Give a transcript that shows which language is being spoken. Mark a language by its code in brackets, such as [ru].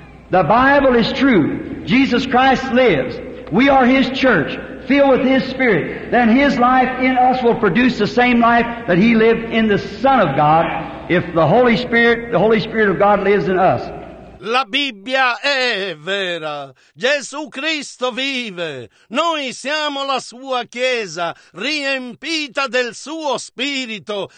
[en] The Bible is true. Jesus Christ lives. We are His church, filled with His Spirit. Then His life in us will produce the same life that He lived in the Son of God, if the Holy Spirit of God lives in us. [it] La Bibbia è vera. Gesù Cristo vive. Noi siamo la sua chiesa, riempita del suo spirito.